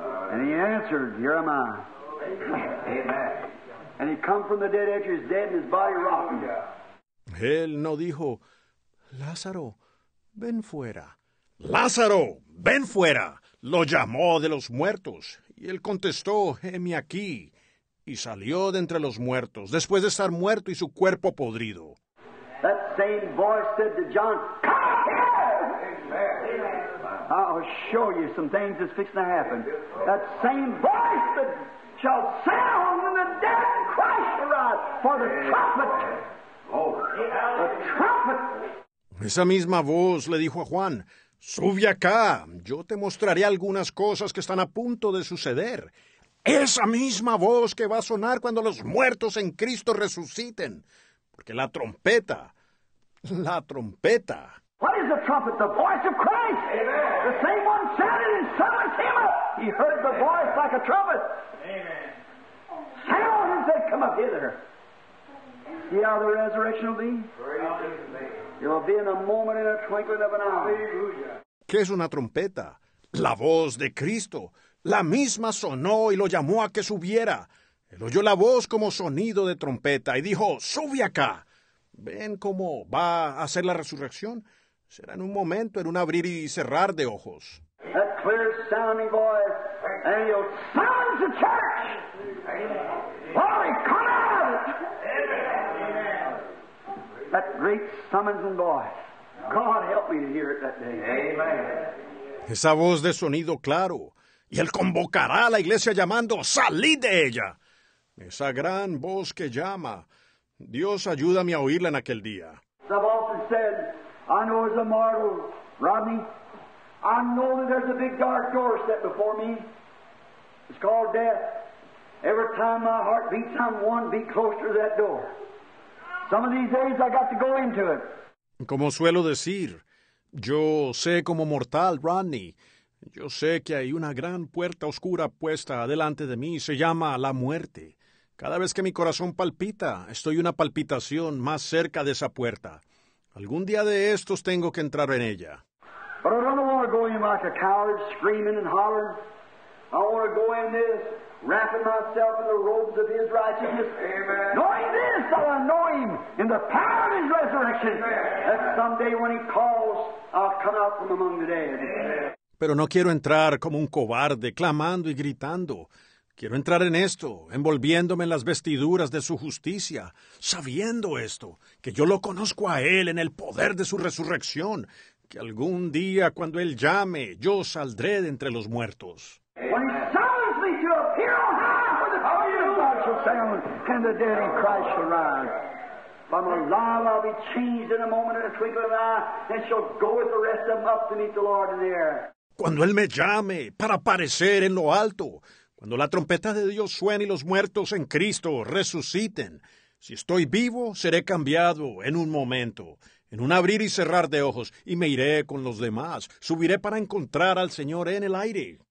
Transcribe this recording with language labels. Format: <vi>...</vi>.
<en>And he answered, "Here am I." Amen. And he come from the dead after his dead and his body rotten.</en> <es>Él no dijo, "Lázaro, ven fuera." "Lázaro, ven fuera." Lo llamó de los muertos. Y él contestó, "Heme aquí." Y salió de entre los muertos, después de estar muerto y su cuerpo podrido.</es> <en>That same voice said to John, "Come out here." I'll show you some things that's fixing to happen. That same voice that shall sound when the dead in Christ arise, for the trumpet. The trumpet.</en> <es>Esa misma voz le dijo a Juan, "Sube acá. Yo te mostraré algunas cosas que están a punto de suceder." Esa misma voz que va a sonar cuando los muertos en Cristo resuciten. Porque la trompeta, la trompeta.</es> <en>What is the trumpet? The voice of Christ. Amen. The same one sounded in summer timber. He heard the voice like a trumpet. Amen. Sound and said, "Come up hither." See how the resurrection will be? Praise it will be in a moment, in a twinkling of an eye.</en> <es>¿Qué es una trompeta? La voz de Cristo. La misma sonó y lo llamó a que subiera. Él oyó la voz como sonido de trompeta y dijo, "Sube acá." ¿Ven cómo va a ser la resurrección? Será en un momento, en un abrir y cerrar de ojos.</es> <en>That clear sounding voice, and he'll sound the church. Holy, come out of it. That great summons and voice. God help me to hear it that day. Amen.</en> <es>Esa voz de sonido claro. Y él convocará a la iglesia llamando, ¡salid de ella! Esa gran voz que llama. Dios, ayúdame a oírla en aquel día.</es> <en>I've often said, I know as a mortal, Rodney, I know that there's a big dark door set before me. It's called death. Every time my heart beats, I'm one beat closer to that door. Some of these days I got to go into it.</en> <es>Como suelo decir, yo sé como mortal, Rodney, yo sé que hay una gran puerta oscura puesta delante de mí. Se llama la muerte. Cada vez que mi corazón palpita, estoy una palpitación más cerca de esa puerta. Algún día de estos tengo que entrar en ella.</es> <en>But I don't want to go in like a coward, screaming and hollering. I want to go in this, wrapping myself in the robes of his righteousness. Amen. Knowing this, I'll know him in the power of his resurrection. Amen. That someday when he calls, I'll come out from among the dead. Amen.</en> <es>Pero no quiero entrar como un cobarde, clamando y gritando. Quiero entrar en esto, envolviéndome en las vestiduras de su justicia, sabiendo esto, que yo lo conozco a él en el poder de su resurrección, que algún día cuando él llame, yo saldré de entre los muertos.</es> <en>When he summons me to appear on high, for the glory of God shall sound, and the dead in Christ shall rise. If I'm alive, I'll be changed in a moment, in a twinkling of an eye, and shall go with the rest of them up to meet the Lord in the air.</en> <es>Cuando él me llame para aparecer en lo alto, cuando la trompeta de Dios suene y los muertos en Cristo resuciten, si estoy vivo, seré cambiado en un momento, en un abrir y cerrar de ojos, y me iré con los demás. Subiré para encontrar al Señor en el aire.</es>